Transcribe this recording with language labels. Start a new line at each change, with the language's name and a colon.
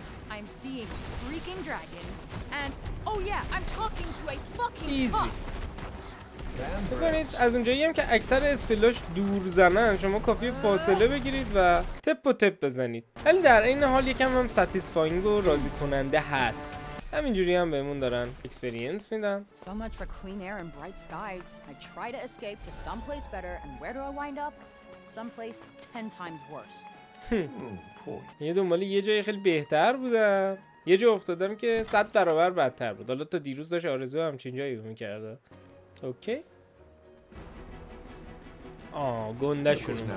English: I'm seeing freaking dragons and oh yeah I'm talking to a fucking fuck.
Persian: ببینید از اونجایی هم که اکثر اسپلاش دور زنن شما کافی فاصله بگیرید و تپ و تپ بزنید. ولی در این حال یکم هم ساتیسفاینگ و راضی کننده هست. همینجوری هم بهمون دارن اکسپریانس میدن.
English: So much for clean air and bright skies. I try to escape to someplace better and where do I wind up? Someplace 10 times worse.
Persian: یه دنبال یه جای خیلی بهتر بودم یه جا افتادم که 100 برابر بدتر بود. حالا تا دیروز داشت آرزو همچین جایی می‌کرد. اوکی. آه گنده شون.